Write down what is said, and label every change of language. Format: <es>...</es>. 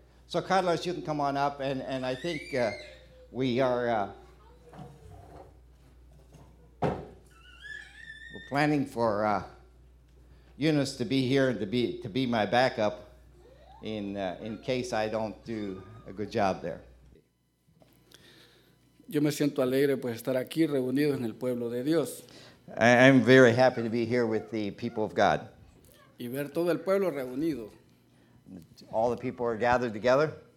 <en>So Carlos, you can come on up, and I think we are we're planning for Eunice to be here and to be my backup in case I don't do a good job there.</en> <es>Yo me siento alegre pues estar aquí reunido en el pueblo de Dios.</es> <en>I'm very happy to be here with the people of God.</en> <es>Y ver todo el pueblo reunido.</es> <en>All the people are gathered together.</en>